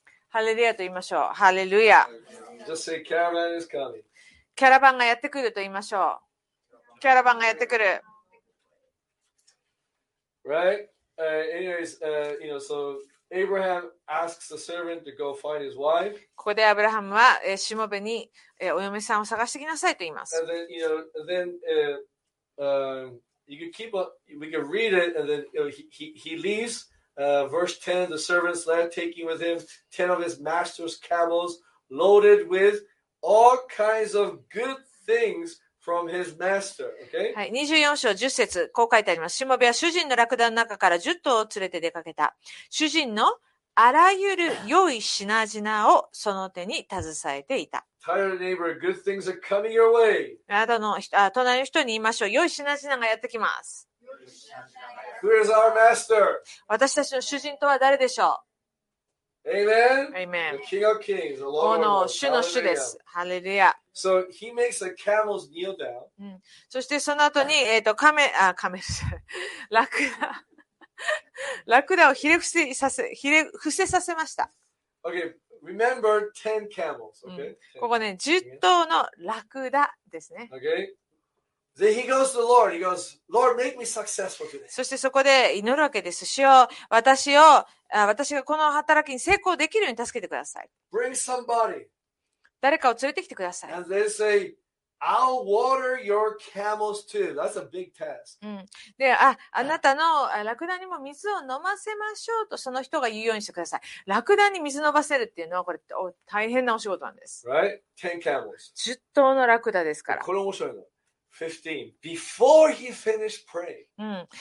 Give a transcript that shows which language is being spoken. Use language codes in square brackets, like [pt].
[ja] ハレルヤと言いましょう。ハレルヤ。 [en] Just say, caravan is coming. [ja] キャラバンがやってくると言いましょう。キャラバンがやってくる。 [en] Right? Anyways, you know, so Abraham asks the servant to go find his wife. [ja] ここでアブラハムは、しもべに、お嫁さんを探してきなさいと言います。 [en] And then, you know, then, you can keep up, we can read it, and then you know, he leaves. Verse 10, the servants left, taking with him 10 of his master's camels, loaded with all kinds of good things from his master. Okay? [ja] はい、24章10節、こう書いてあります。しもべは主人のラクダの中から10頭を連れて出かけた。主人のあらゆる良い品々をその手に携えていた。 [en] Tell your neighbor, good things are coming your way. [ja] あなたの人、あ、隣の人に言いましょう。良い品々がやってきます。 [en] Who is our master? [ja] 私たちの主人とは誰でしょう。 [en] Amen. Amen. The King of Kings, the Lord of Lords. [ja] 主の主です。ハレルヤ。 [en] So he makes the camels kneel down. [ja] そしてその後に、カメル、ラクダ、ラクダをひれ伏せさせました。 [en] Okay, remember 10 camels. Okay. [ja] ここね、10頭のラクダですね。 [en] Okay. Then he goes to the Lord. He goes, Lord, make me successful today. [ja] そしてそこで祈るわけです。主よ、私がこの働きに成功できるように助けてください。 [en] Bring somebody. [ja] 誰かを連れてきてください。 [en] And they say, I'll water your camels too. That's a big task. [ja] で、あなたのラクダにも水を飲ませましょうとその人が言うようにしてください。ラクダに水飲ませるっていうのはこれ大変なお仕事なんです。 [en] Right? Ten camels. [ja] 十頭のラクダですから。これ面白いの。15. [en] Before he finished praying.